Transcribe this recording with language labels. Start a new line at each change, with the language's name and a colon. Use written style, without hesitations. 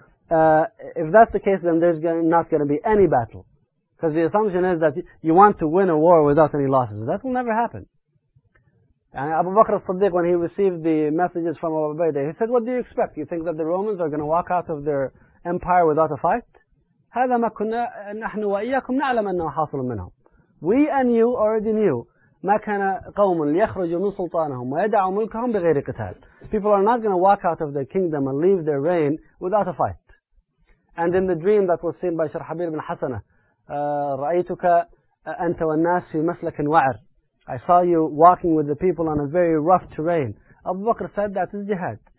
English: If that's the case, then there's not going to be any battle. Because the assumption is that you want to win a war without any losses. That will never happen. And Abu Bakr as-Siddiq, when he received the messages from Abu Ubaidah, he said, what do you expect? You think that the Romans are going to walk out of their empire without a fight?
Arabic: هذا ما كنا نحن وإياكم نعلم أنه حاصل منهم.
English: We and you already knew
Arabic: ما كان قوم ليخرجوا من سلطانهم ويدعوا ملكهم بغير قتال.
English: People are not going to walk out of their kingdom and leave their reign without a fight. And in the dream that was seen by Sharhabir bin Hassan,
Arabic: رأيتك أنت والناس في مسلك وعر.
English: I saw you walking with the people on a very rough terrain. Abu Bakr said that is jihad.